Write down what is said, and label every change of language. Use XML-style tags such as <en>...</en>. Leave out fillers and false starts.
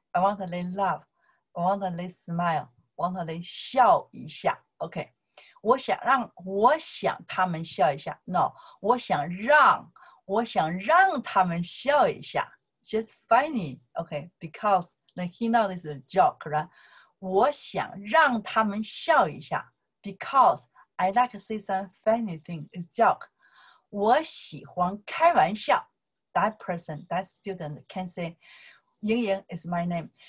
<en>I want to they laugh, I want to they smile, I want to they</en> <zh>笑一下. Okay, 我想让他们笑一下. No, 我想让他们笑一下.</zh> <en>Just funny. Okay, because like, he knows this is a joke, right?</en> <zh>我想让他们笑一下.</zh> <en>Because I like to say some funny thing, a joke.</en> <zh>我喜欢开玩笑.</zh> <en>That person, that student can say, YINGYING is my name.</en>